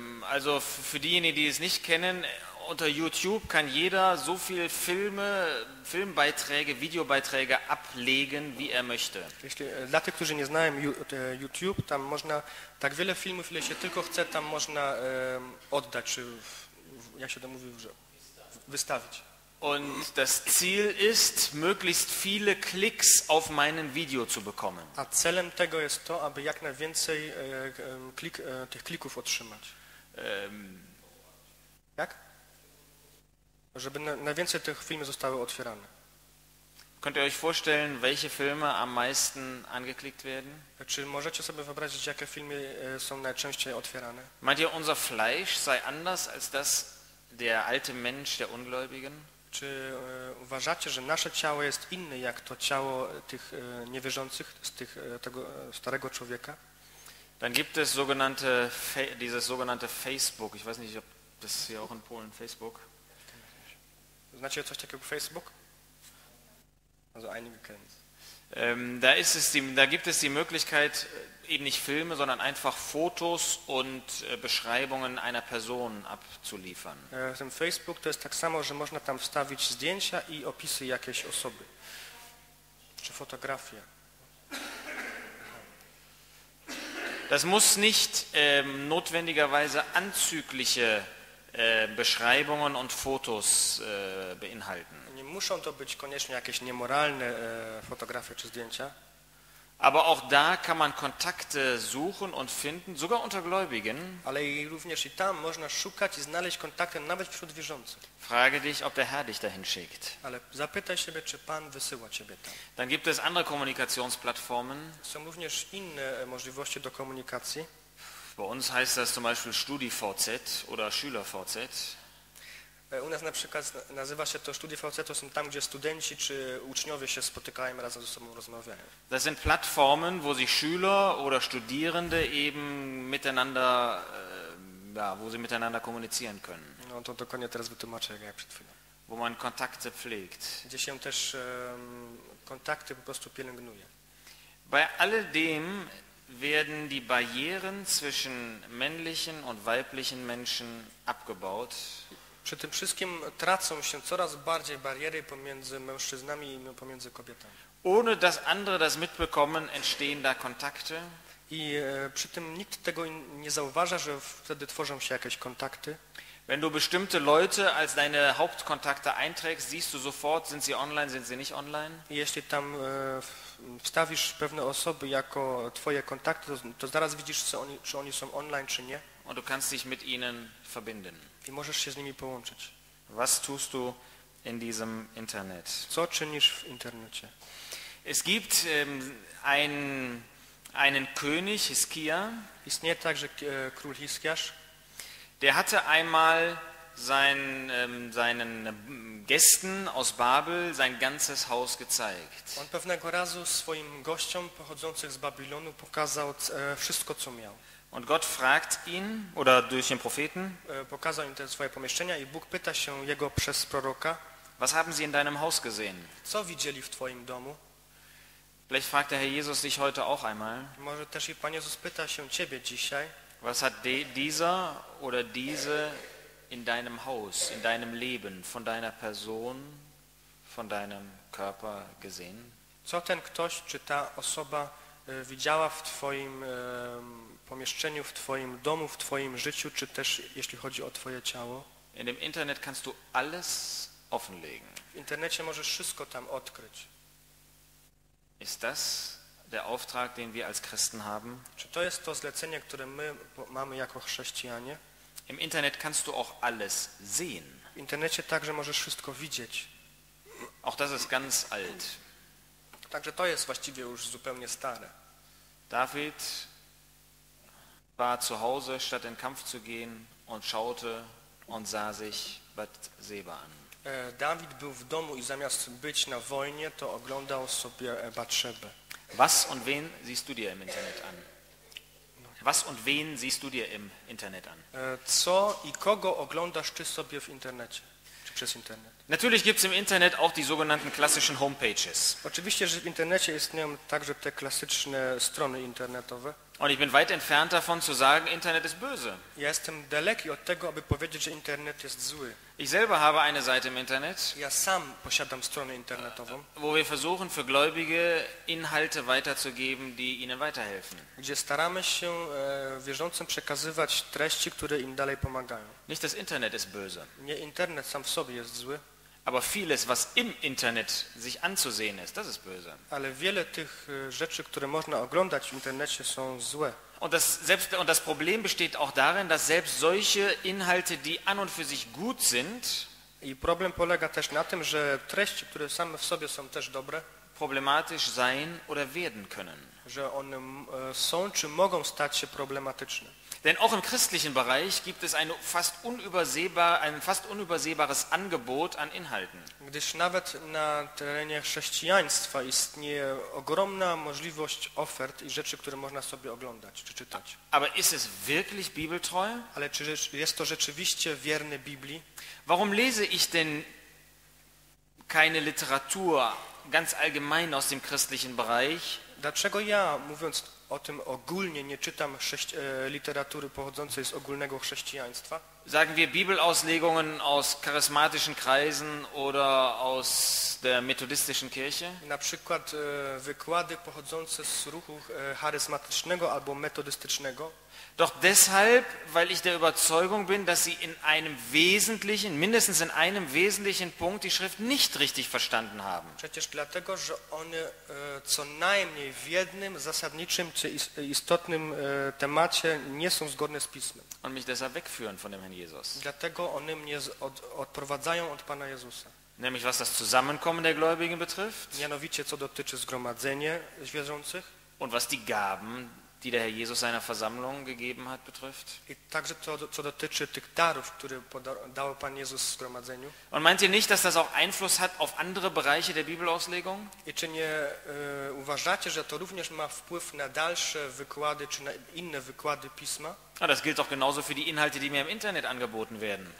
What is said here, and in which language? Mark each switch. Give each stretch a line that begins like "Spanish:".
German: Also für diejenigen, die es nicht kennen, unter YouTube kann jeder so viele Filmbeiträge, Videobeiträge ablegen, wie er möchte.
Polish: Dla tych, którzy nie znają YouTube, tam można tak wiele filmów, ile się tylko chce, tam można oddać, czy jak się to mówi, wystawić.
German: Und das Ziel ist, möglichst viele Klicks auf meinen Video zu bekommen.
Polish: A celem tego jest to, aby jak najwięcej tych klików otrzymać. Jak? Żeby najwięcej tych filmów zostały otwierane.
German: Könnt ihr euch vorstellen, welche Filme am meisten angeklickt werden?
Polish: Czy możecie sobie wyobrazić, jakie filmy są najczęściej otwierane?
German: Meint ihr, unser Fleisch sei anders als das der alte Mensch der Ungläubigen?
Polish: Czy uważacie, że nasze ciało jest inne jak to ciało tych niewierzących, z tych, tego starego człowieka?
German: Dann gibt es sogenannte dieses sogenannte Facebook. Ich weiß nicht, ob das hier auch in Polen Facebook.
Polish: Znacie coś takiego Facebook?
German: Also einige kennen es. Da ist es die, da gibt es die Möglichkeit, eben nicht Filme, sondern einfach Fotos und Beschreibungen einer Person abzuliefern. Im
Polish: Facebook to jest tak samo, że można tam wstawić zdjęcia i opisy jakiejś osoby. Czy fotografie.
German: Das muss nicht notwendigerweise anzügliche Beschreibungen und Fotos beinhalten.
Polish: Nie muszą to być koniecznie jakieś niemoralne fotografie czy zdjęcia.
German: Aber auch da kann man Kontakte suchen und finden, sogar unter Gläubigen.
Polish: Ale i również i tam można szukać i znaleźć kontakty nawet wśród wierzących.
German: Frage dich, ob der Herr dich dahin schickt.
Polish: Ale zapytaj siebie, czy Pan wysyła ciebie tam.
German: Dann gibt es andere Kommunikationsplattformen.
Polish: Są również inne możliwości do komunikacji.
German: Bei uns heißt das zum Beispiel StudiVZ oder SchülerVZ.
Polish: U nas na przykład nazywa się to StudiVZ, to są tam, gdzie studenci czy uczniowie się spotykają, razem ze sobą rozmawiają.
German: Das sind Plattformen, wo sich Schüler oder Studierende eben miteinander, ja, wo sie miteinander kommunizieren können.
Polish: No to dokładnie teraz wytłumaczę, jak przed chwilą.
German: Wo man Kontakte pflegt.
Polish: Gdzie się też kontakty po prostu pielęgnuje.
German: Bei alledem werden die Barrieren zwischen männlichen und weiblichen Menschen abgebaut.
Polish: Przy tym wszystkim tracą się coraz bardziej bariery pomiędzy mężczyznami i pomiędzy kobietami.
German: Ohne dass andere das mitbekommen, entstehen da Kontakte.
Polish: I przy tym nikt tego nie zauważa, że wtedy tworzą się jakieś kontakty.
German: Wenn du bestimmte Leute als deine Hauptkontakte einträgst, siehst du sofort, sind sie online, sind sie nicht online.
Polish: Jeśli tam wstawisz pewne osoby jako twoje kontakty, to zaraz widzisz, czy oni są online, czy nie.
German: Und du kannst dich mit ihnen verbinden.
Polish: I możesz się z nimi połączyć.
German: Was tust du in diesem Internet?
Polish: Co czynisz w internecie?
German: Es gibt einen König Hiskia.
Polish: Istnieje także król Hiskiasz.
German: Der hatte einmal seinen Gästen aus Babel sein ganzes Haus gezeigt.
Polish: On pewnego razu swoim gościom pochodzących z Babilonu pokazał wszystko, co miał.
German: Und Gott fragt ihn oder durch den Propheten,
Polish: pokazał im te swoje pomieszczenia i Bóg pyta się jego przez proroka.
German: Was haben Sie in deinem Haus gesehen?
Polish: Co widzieli w twoim domu?
German: Vielleicht fragt der Herr Jesus dich heute auch einmal.
Polish: Może też i Pan Jezus pyta się ciebie dzisiaj.
German: Was hat dieser oder diese in deinem Haus, in deinem Leben, von deiner Person, von deinem Körper gesehen?
Polish: Co ten ktoś czy ta osoba widziała w twoim pomieszczeniu, w twoim domu, w twoim życiu, czy też jeśli chodzi o twoje ciało?
German: In dem Internet kannst du alles offenlegen.
Polish: W internecie możesz wszystko tam odkryć.
German: Ist das der Auftrag, den wir als Christen haben?
Polish: Czy to jest to zlecenie, które my mamy jako chrześcijanie?
German: Im Internet kannst du auch alles sehen.
Polish: W internecie także możesz wszystko widzieć.
German: Auch das ist ganz alt.
Polish: Także to jest właściwie już zupełnie stare.
German: David war zu Hause, statt in Kampf zu gehen, und schaute und sah sich Batseba an.
Polish: David był w domu i zamiast być na wojnie, to oglądał sobie Batszebę.
German: Was und wen siehst du dir im Internet an? Was und wen siehst du dir im Internet an?
Polish: Co i kogo oglądasz ty sobie w internecie? Czy przez internet?
German: Natürlich gibt's im Internet auch die sogenannten klassischen Homepages.
Polish: Oczywiście, że w internecie istnieją także te klasyczne strony internetowe.
German: Und ich bin weit entfernt davon zu sagen, Internet ist böse.
Polish: Ja jestem daleki od tego, aby powiedzieć, że Internet jest zły.
German: Ich selber habe eine Seite im Internet.
Polish: Ja sam posiadam stronę internetową.
German: Wo wir versuchen, für Gläubige Inhalte weiterzugeben, die ihnen weiterhelfen.
Polish: Gdzie staramy się wierzącym przekazywać treści, które im dalej pomagają.
German: Nicht das Internet ist böse.
Polish: Nie Internet sam w sobie jest zły.
German: Aber vieles, was im Internet sich anzusehen ist, das ist böse.
Polish: Ale wiele tych rzeczy, które można oglądać w internecie, są złe.
German: Und das Problem besteht auch darin, dass selbst solche Inhalte, die an und für sich gut sind,
Polish: i problem polega też na tym, że treści, które same w sobie są też dobre,
German: problematisch sein oder werden können.
Polish: Że one są czy mogą stać się problematyczne.
German: Denn auch im christlichen Bereich gibt es ein fast unübersehbares Angebot an Inhalten.
Polish: Gdyż nawet na terenie chrześcijaństwa istnieje ogromna możliwość ofert i rzeczy, które można sobie oglądać czy czytać.
German: Aber ist es wirklich bibeltreu?
Polish: Ale czy jest to rzeczywiście wierne Biblii?
German: Warum lese ich denn keine Literatur ganz allgemein aus dem christlichen Bereich?
Polish: Dlaczego ja, mówiąc o tym ogólnie, nie czytam literatury pochodzącej z ogólnego chrześcijaństwa?
German: Sagen wir Bibelauslegungen aus charismatischen Kreisen oder aus der methodistischen Kirche?
Polish: Na przykład wykłady pochodzące z ruchu charyzmatycznego albo metodystycznego.
German: Doch deshalb, weil ich der Überzeugung bin, dass sie in einem wesentlichen, mindestens in einem wesentlichen Punkt die Schrift nicht richtig verstanden haben.
Polish: Przecież dlatego, że one co najmniej w jednym zasadniczym czy istotnym temacie nie są zgodne z Pismem.
German: Und mich deshalb wegführen von dem Herrn Jesus.
Polish: Dlatego one mnie odprowadzają od Pana Jezusa.
German: Nämlich was das Zusammenkommen der Gläubigen betrifft.
Polish: Mianowicie co dotyczy zgromadzenia wierzących.
German: Und was die Gaben, die der Herr Jesus seiner Versammlung gegeben hat, betrifft.
Polish: I także to, co dotyczy tych darów, które dał Pan Jezus w zgromadzeniu.
German: Und meint ihr nicht, dass das auch Einfluss hat auf andere Bereiche der Bibelauslegung?
Polish: I czy nie uważacie, że to również ma wpływ na dalsze wykłady, czy na inne wykłady Pisma?
German: A das gilt auch genauso für die Inhalte, die mir im Internet angeboten werden.